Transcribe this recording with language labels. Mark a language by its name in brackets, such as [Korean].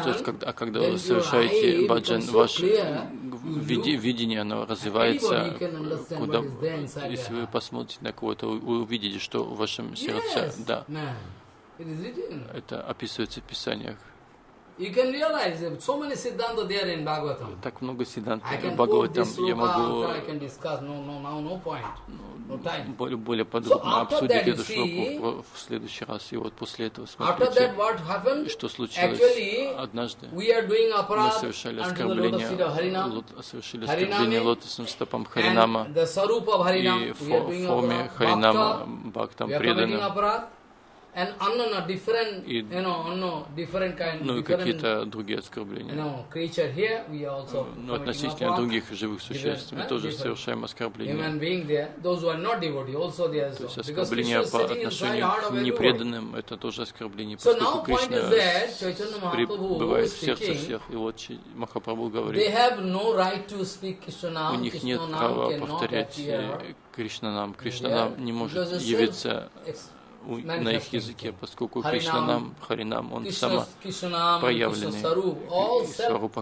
[Russian] что ж, когда, когда вы совершаете баджан, ваше видение, оно развивается, куда, если вы посмотрите на кого-то, вы увидите, что в вашем сердце, [English] yes, [Russian] да, [English] man, [Russian] это описывается в писаниях. [English] You can realize so many siddhanta there in Bhagavatam. [Russian] Так много сиддханты в Бхагаватам. Я могу более подробно обсудить эту шлоку в следующий раз. И вот после этого смотрите, что случилось. Однажды мы совершали оскорбление, совершили оскорбление лотосным стопам Харинама и в форме Харинама Бхактам преданным. [English] And unknown, different, you know, unknown, different kind. [Russian] Ну и какие-то другие оскорбления. [English] No creature here, we also. [Russian] Ну относительно других живых существ мы тоже совершаем оскорбления. [English] Human being there, those who are not devotee, also there. [Russian] То есть оскорбление по отношению к непреданным, это тоже оскорбление. [English] So now point is that Chaitanya Mahaprabhu is speaking. [Russian] И вот Махапрабху говорит. [English] They have no right to speak Krishna. [Russian] У них нет права повторять Кришнанам. Кришнанам не может явиться на их языке, поскольку Кришнанам, Харинам, он самопроявленный. Сварупа